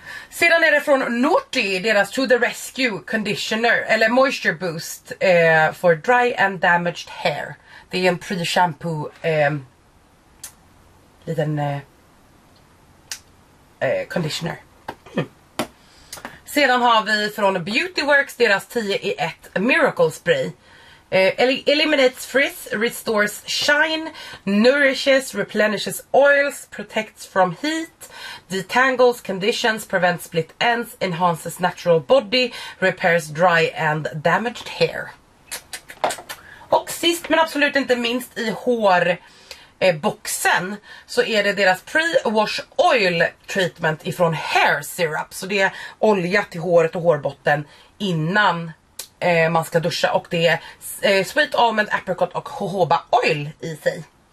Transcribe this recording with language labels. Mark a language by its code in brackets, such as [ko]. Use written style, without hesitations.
[sv] Sedan är det från Naughty, deras To The Rescue Conditioner, eller Moisture Boost, [en] for dry and damaged hair. [sv] Det är en pre-shampoo, liten conditioner. Sedan har vi från Beauty Works, deras 10-in-1 Miracle Spray. [en] Eliminates frizz, restores shine, nourishes, replenishes oils, protects from heat, detangles conditions, prevents split ends, enhances natural body, repairs dry and damaged hair. [sv] Och sist men absolut inte minst i hårboxen så är det deras pre-wash oil treatment ifrån hair syrup. Så det är olja till håret och hårbotten innan man ska duscha, och det är sweet almond, apricot och jojoba oil i sig.